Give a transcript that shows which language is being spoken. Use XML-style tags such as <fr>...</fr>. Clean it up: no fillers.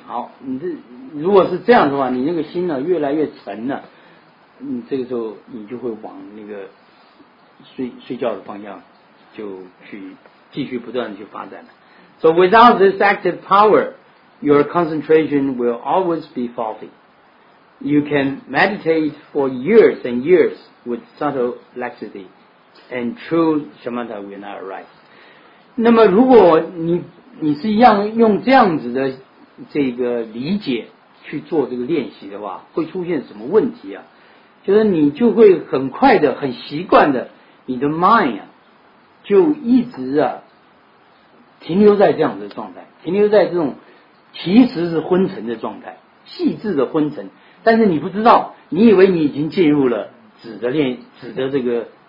<zh>好，你这如果是这样的话，你那个心呢越来越沉了，你这个时候你就会往那个睡觉的方向就去继续不断的去发展了。</zh> <en>So without this active power,Your concentration will always be faulty. You can meditate for years and years with subtle laxity, and true shamatha will not arise.</en> <zh>那么如果你是一样用这样子的这个理解去做这个练习的话，会出现什么问题啊？就是你就会很快的、很习惯的，你的 mind 啊，就一直啊停留在这样子的状态，停留在这种其实是昏沉的状态，细致的昏沉，但是你不知道，你以为你已经进入了止的这个</zh>